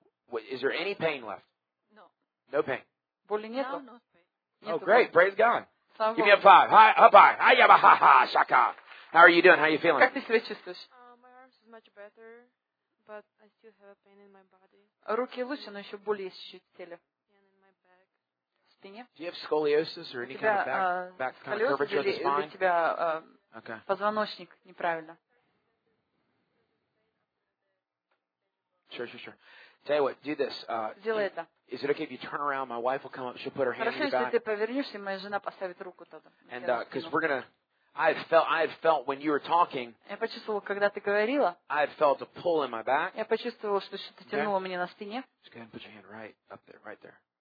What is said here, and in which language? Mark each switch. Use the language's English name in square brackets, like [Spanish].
[English] Wait, is there any pain left? No. No pain. [Russian] Боли нету? [English] No, no pain. Oh, great. Praise God. Give me a five. Hi, up high. Hi, yaba, ha, ha, shaka. How are you doing? How are you feeling? [Russian] Как ты себя чувствуешь? [English] My arms is much better, but I still have a pain in my body. [Russian] Руки лучше, но еще боль есть еще в теле. [English] And in my back. [Russian] Спине. [English] Do you have scoliosis or any kind of back kind of curvature of the spine? [Russian] У тебя позвоночник неправильно. [English] Sure, sure, sure. Tell you what, do this. [Russian] Сделай это. [English] Is it okay if you turn around? My wife will come up. She'll put her hand in your back. [Russian] Хорошо, если ты повернешься, моя жена поставит руку тогда. [English] And because we're gonna, I had felt when you were talking. [Russian] Я почувствовала, когда ты говорила. [English] I had felt a pull in my back. [Russian] Я почувствовала, что что-то тянуло мне на спине. [English] Just go ahead and put your hand right up there, right there.